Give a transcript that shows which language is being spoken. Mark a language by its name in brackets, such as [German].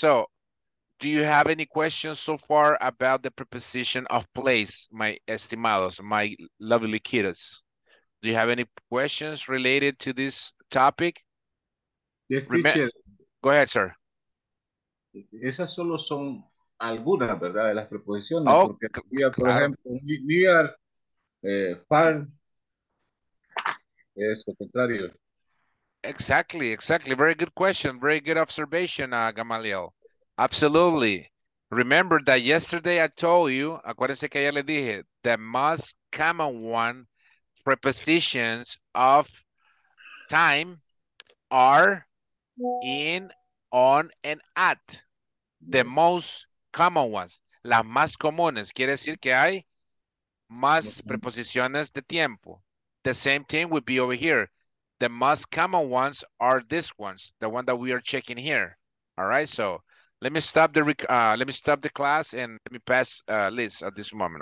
[English] So, do you have any questions so far about the preposition of place, my estimados, my lovely kiddos? Do you have any questions related to this topic? Yes, teacher. Go ahead, sir. [Spanish] Esas solo son algunas, ¿verdad?, de las preposiciones. Oh, porque había, por claro. ejemplo, near, far, es lo contrario. [English] Exactly, exactly. Very good question. Very good observation, Gamaliel. Absolutely. Remember that yesterday I told you, [Spanish] acuérdense que ayer le dije, [English] the most common one prepositions of time are in, on, and at. The most common ones. [Spanish] Las más comunes. Quiere decir que hay más preposiciones de tiempo. [English] The same thing would be over here. The most common ones are these ones, the one that we are checking here. All right, so let me stop the class and let me pass Liz at this moment.